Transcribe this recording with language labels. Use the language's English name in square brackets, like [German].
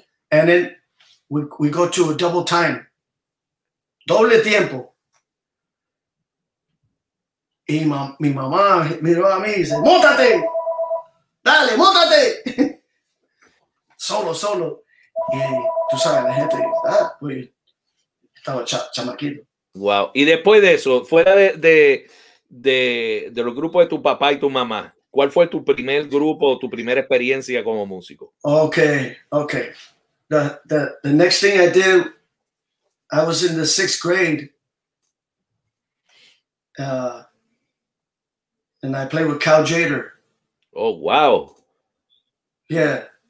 [English] and then we go to a double time. [Spanish] Doble tiempo. Y mi mamá miró a mí y dice, ¡móntate! ¡Dale, móntate! Solo. Y tú sabes, la gente, estaba chamaquito. Wow. Y después de eso, fuera de los grupos de tu papá y tu mamá, ¿cuál fue tu primer grupo o tu primera experiencia como músico? [English] Ok. The next thing I did, I was in the sixth grade. And I played with Cal Jader. Oh, wow. Yeah.